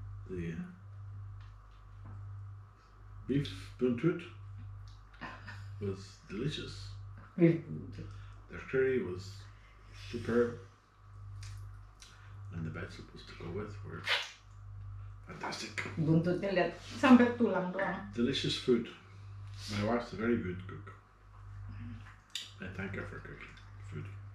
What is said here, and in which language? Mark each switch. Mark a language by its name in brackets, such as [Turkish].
[English] The beef buntut was delicious. The curry was superb, and the vegetables to go with were fantastic. [Indonesian] Buntutnya lihat sampai tulang doang. [English] Delicious food. My wife's a very good cook. I thank her for cooking food.